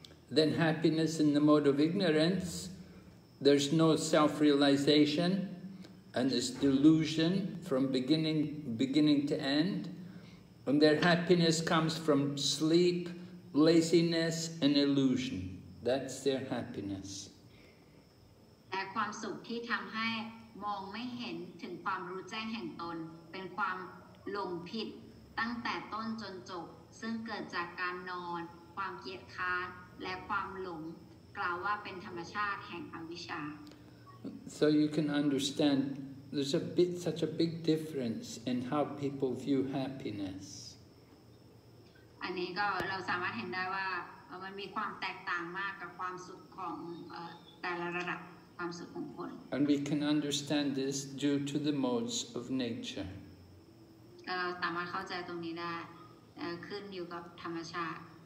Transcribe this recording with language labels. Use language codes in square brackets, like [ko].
[en] Then happiness in the mode of ignorance, there's no self-realization and there's delusion from beginning to end, and their happiness comes from sleep, laziness and illusion. That's their happiness. [th] และความสุขที่ทำให้มองไม่เห็นถึงความรู้แจ้งแห่งตนเป็นความหลงผิดตั้งแต่ต้นจนจบซึ่งเกิดจากการนอนความเกียจคร้านและความหลงกล่าวว่าเป็นธรรมชาติแห่งอวิชชา [en] So you can understand there's a bit such a big difference in how people view happiness [th] อันนี้ก็เราสามารถเห็นได้ว่ามันมีความแตกต่างมากกับความสุขของแต่ละระดับความสุขของคน [en] And we can understand this due to the modes of nature [th] เราสามารถเข้าใจตรงนี้ได้ขึ้นอยู่กับธรรมชาติ